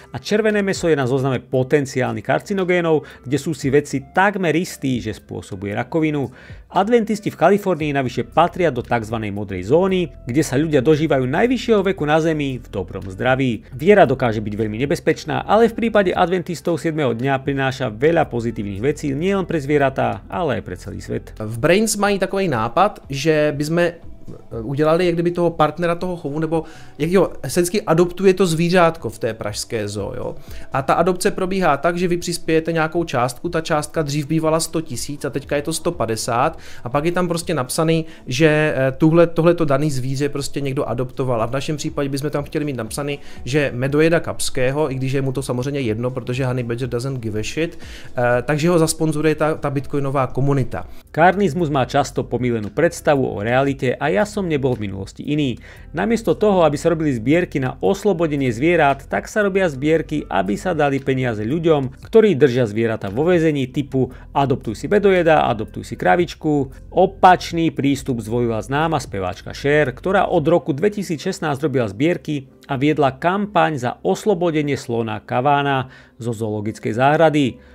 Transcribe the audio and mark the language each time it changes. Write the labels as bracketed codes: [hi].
[sk] A červené meso je na zozname potenciálnych karcinogénov, kde sú si vedci takmer istí, že spôsobuje rakovinu. Adventisti v Kalifornii navyše patria do tzv. Modrej zóny, kde sa ľudia dožívajú najvyššieho veku na Zemi v dobrom zdraví. Viera dokáže byť veľmi nebezpečná, ale v prípade adventistov 7. dňa prináša veľa pozitívnych vecí, nielen pre zvieratá, ale aj pre celý svet. [cs] V Brains mají takový nápad, že by sme udělali jak kdyby toho partnera toho chovu, nebo jak jo, esensky adoptuje to zvířátko v té pražské zoo, jo. A ta adopce probíhá tak, že vy přispějete nějakou částku, ta částka dřív bývala 100 000 a teďka je to 150 a pak je tam prostě napsaný, že tohleto daný zvíře prostě někdo adoptoval a v našem případě bychom tam chtěli mít napsaný, že medojeda kapského, i když je mu to samozřejmě jedno, protože [en] Honey Badger doesn't give a shit, [cs] takže ho zasponzoruje ta bitcoinová komunita. [sk] Karnizmus má často pomílenou představu o realitě a ja som nebol v minulosti iný. Namiesto toho, aby sa robili zbierky na oslobodenie zvierat, tak sa robia zbierky, aby sa dali peniaze ľuďom, ktorí držia zvieratá vo väzení typu adoptuj si medojeda, adoptuj si kravičku. Opačný prístup zvolila známa speváčka Cher, ktorá od roku 2016 robila zbierky a viedla kampaň za oslobodenie slona Kavána zo zoologickej záhrady.